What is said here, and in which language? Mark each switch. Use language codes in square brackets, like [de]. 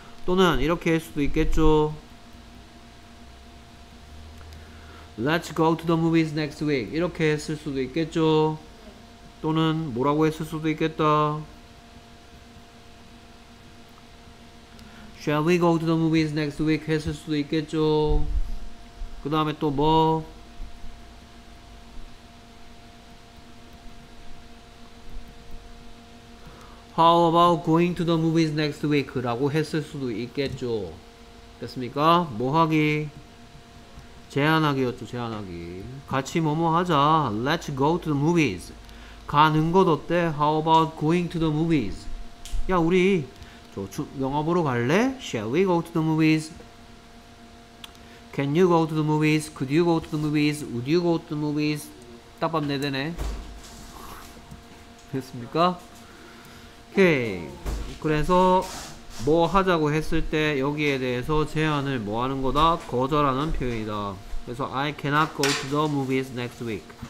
[ko] 또는 이렇게 할 수도 있겠죠. [en] Let's go to the movies next week. [ko] 이렇게 했을 수도 있겠죠. 또는 뭐라고 했을 수도 있겠다. [en] Shall we go to the movies next week? [ko] 했을 수도 있겠죠. 그 다음에 또 뭐? [en] How about going to the movies next week? [ko] 라고 했을 수도 있겠죠. 됐습니까? 뭐 하기? 제안하기였죠, 제안하기. 같이 뭐뭐 하자. [en] Let's go to the movies. [ko] 가는 것 어때? [en] How about going to the movies? [ko] 야, 우리 저 영화 보러 갈래? [en] Shall we go to the movies? Can you go to the movies? Could you go to the movies? Would you go to the movies? [ko] 딱밤 내대네. 됐습니까? 오케이. 그래서 뭐 하자고 했을 때 여기에 대해서 제안을 뭐 하는 거다? 거절하는 표현이다. 그래서 [en] I cannot go to the movies next week.